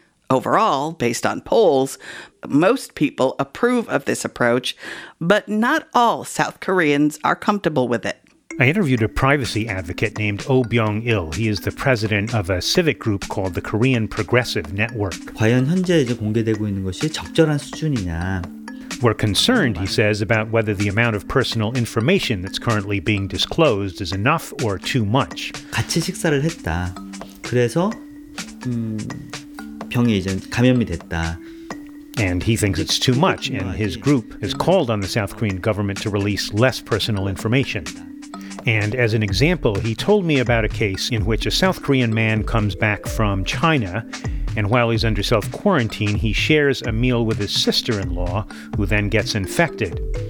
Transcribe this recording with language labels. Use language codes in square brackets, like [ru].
[en] Overall, based on polls, most people approve of this approach, but not all South Koreans are comfortable with it. I interviewed a privacy advocate named Oh Byung-il. He is the president of a civic group called the Korean Progressive Network. [ko] 과연 현재 이제 공개되고 있는 것이 적절한 수준이냐? [en] We're concerned, he says, about whether the amount of personal information that's currently being disclosed is enough or too much. [ko] 같이 식사를 했다. 그래서 병에 이제 감염이 됐다. [en] And he thinks it's too much, and his group has called on the South Korean government to release less personal information. And as an example, he told me about a case in which a South Korean man comes back from China, and while he's under self-quarantine, he shares a meal with his sister-in-law, who then gets infected.